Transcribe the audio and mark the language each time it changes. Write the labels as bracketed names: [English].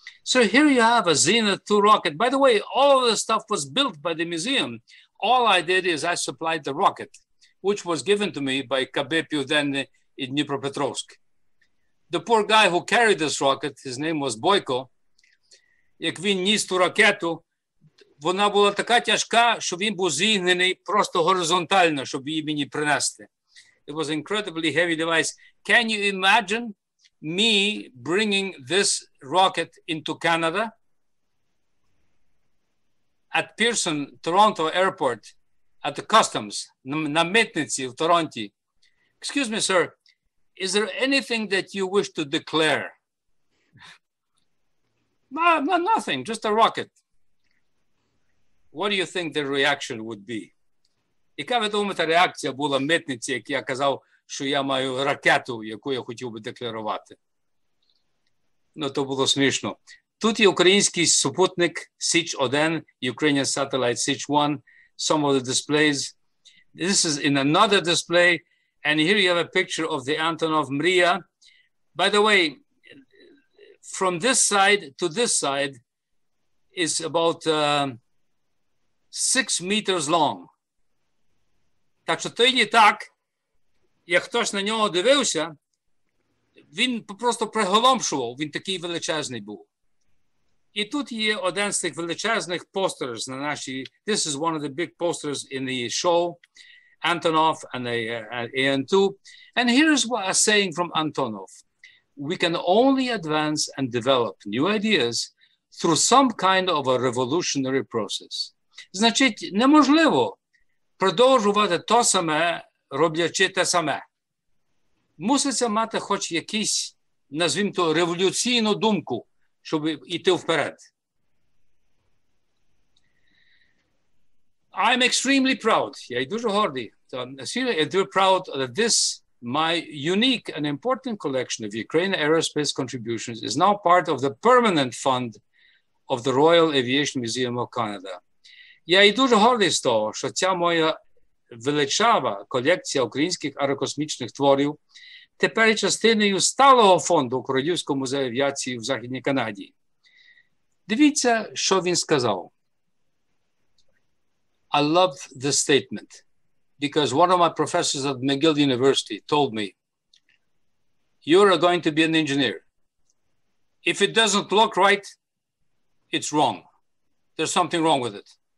[English] So here you have a Zenith II rocket. By the way, all of the stuff was built by the museum. All I did is I supplied the rocket, which was given to me by Kabepiu then in Dnipropetrovsk. The poor guy who carried this rocket, his name was Boyko. [Ukrainian] Як він ніс ту ракету, вона була така тяжка, що він був зігнений просто горизонтально, щоб її мені принести. [English] It was an incredibly heavy device. Can you imagine me bringing this rocket into Canada? At Pearson, Toronto Airport, at the customs, [Ukrainian] на митниці в Торонті. [English] Excuse me, sir, is there anything that you wish to declare? No, nothing, just a rocket. What do you think the reaction would be? [Ukrainian] Яка, ви думаєте, реакція була митниці, як я казав, що я маю ракету, яку я хотів би декларувати? Ну, то було смішно. Тут є український супутник Січ-1, [English] Ukrainian satellite Січ-1, some of the displays. This is in another display, and here you have a picture of the Antonov Mria. By the way, from this side to this side is about 6 meters long. [Ukrainian] Так що то і не так, як хтось на нього дивився, він просто приголомшував, він такий величезний був. І тут є один з тих величезних posters на нашій. [English] This is one of the big posters in the show, Antonov and the AN-2. And here's what a saying from Antonov. We can only advance and develop new ideas through some kind of a revolutionary process. [Ukrainian] Значить, неможливо продовжувати то саме, роблячи те саме. Муситься мати хоч якийсь, назвімо то, революційну думку, щоб іти вперед. [English] I'm extremely proud. [Ukrainian] Я дуже гордий. [English] So I'm very proud that this, my unique and important collection of Ukraine aerospace contributions, is now part of the permanent fund of the Royal Aviation Museum of Canada. [Ukrainian] Я і дуже гордий з того, що ця моя величава колекція українських аерокосмічних творів тепер частиною сталого фонду Королівського музею авіації в Західній Канаді. Дивіться, що він сказав. [English] I love the statement, because one of my professors at McGill University told me, you're going to be an engineer. If it doesn't look right, it's wrong. There's something wrong with it.